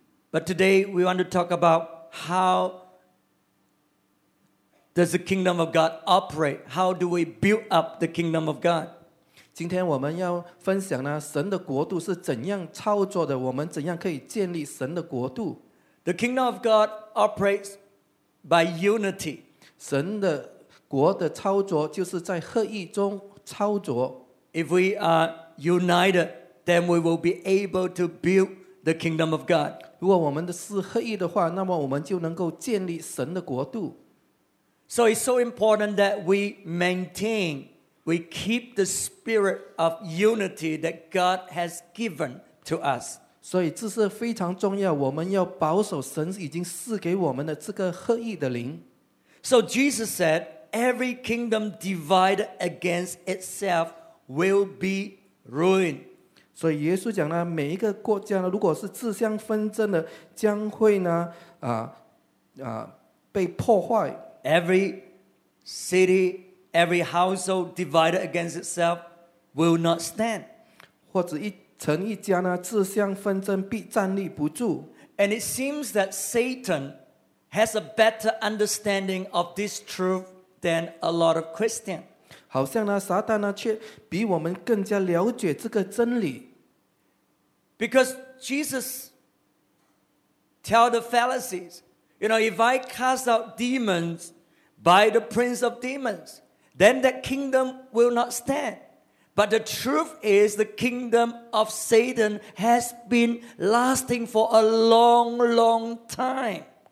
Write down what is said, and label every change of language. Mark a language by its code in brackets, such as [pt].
[en] But today we want to talk about how does the kingdom of God operate? How do we build up the kingdom of God? [zh] 今天我们要分享呢，神的国度是怎样操作的？我们怎样可以建立神的国度？ [en] The kingdom of God operates by unity. [zh] 神的国的操作就是在合一中操作。 [en] If we are united. Then we will be able to build the kingdom of God. [zh] 如果我们的是合一的话，那么我们就能够建立神的国度。 [en] So it's so important that we maintain, we keep the spirit of unity that God has given to us. [zh] 所以这是非常重要，我们要保守神已经赐给我们的这个合一的灵。 [en] So Jesus said, every kingdom divided against itself will be ruined. [zh] 所以耶稣讲呢，每一个国家呢，如果是自相纷争的，将会呢，被破坏。 [en] Every city, every household divided against itself will not stand. [zh] 或者一城一家呢，自相纷争必站立不住。 [en] And it seems that Satan has a better understanding of this truth than a lot of Christians. [zh] 好像呢，撒旦呢却比我们更加了解这个真理。 [en] Because Jesus tell the Pharisees, you know, if I cast out demons by the prince of demons, then that kingdom will not stand. But the truth is, the kingdom of Satan has been lasting for a long, long time.